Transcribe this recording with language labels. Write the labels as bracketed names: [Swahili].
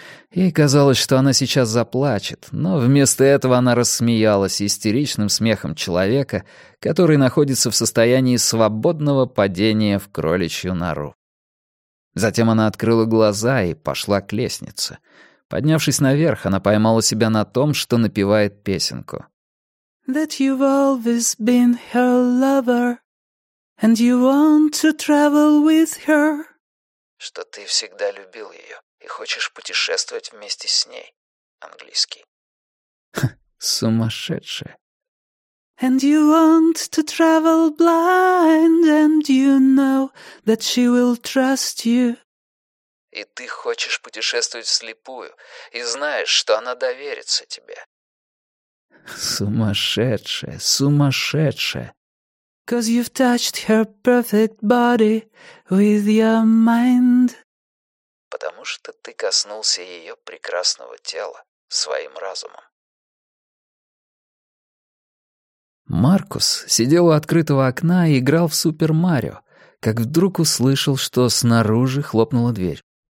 [Russian] Ей казалось, что она сейчас заплачет, но вместо этого она рассмеялась истеричным смехом человека, который находится в состоянии свободного падения в кроличью нору. Затем она открыла глаза и пошла к лестнице. Поднявшись наверх, она поймала себя на том, что напевает песенку. [English] That you've always been her lover, and you want to travel with her. [Russian] Что ты всегда любил ее и хочешь путешествовать вместе с ней. Английский. Сумасшедшая. [English] And you want to travel blind, and you know that she will trust you. [Russian] И ты хочешь путешествовать вслепую, и знаешь, что она доверится тебе. Сумасшедшая, сумасшедшая. [English] Cause you've touched her perfect body with your mind. [Russian] Потому что ты коснулся ее прекрасного тела своим разумом. Маркус сидел у открытого окна и играл в «Супер Марио», как вдруг услышал, что снаружи хлопнула дверь.